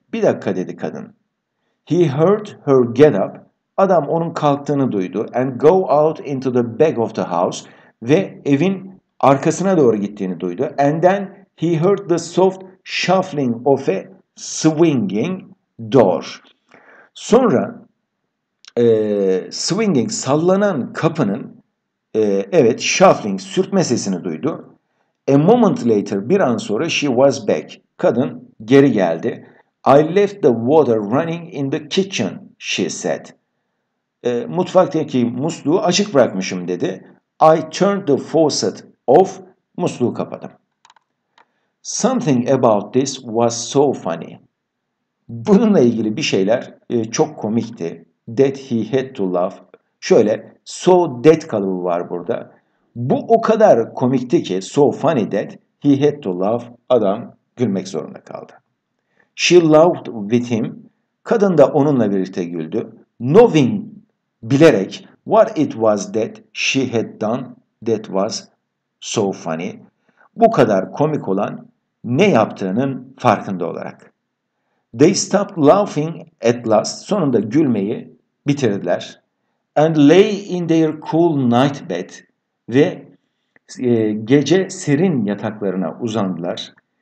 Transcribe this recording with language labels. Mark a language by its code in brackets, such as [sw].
[tr] Bir dakika dedi kadın. [en] He heard her get up. [tr] Adam onun kalktığını duydu. [en] And go out into the back of the house. [tr] Ve evin arkasına doğru gittiğini duydu. [en] And then he heard the soft shuffling of a swinging door. [tr] Sonra swinging, sallanan kapının evet, shuffling, sürtme sesini duydu. [en] A moment later, [tr] bir an sonra [en] she was back. [tr] Kadın geri geldi. [en] I left the water running in the kitchen, she said. [tr] Mutfaktaki musluğu açık bırakmışım dedi. [en] I turned the faucet off, [tr] musluğu kapadım. [en] Something about this was so funny. [tr] Bununla ilgili bir şeyler çok komikti. [en] That he had to laugh. [tr] Şöyle, [en] so that [tr] kalıbı var burada. Bu o kadar komikti ki, [en] so funny that he had to laugh. [tr] Adam gülmek zorunda kaldı. [en] She laughed with him. [tr] Kadın da onunla birlikte güldü. [en] Knowing, [tr] bilerek, [en] what it was that she had done that was so funny. [tr] Bu kadar komik olan ne yaptığının farkında olarak. [en] They stopped laughing at last. [tr] Sonunda gülmeyi bitirdiler. [en] And lay in their cool night bed. [tr] Ve gece serin yataklarına uzandılar.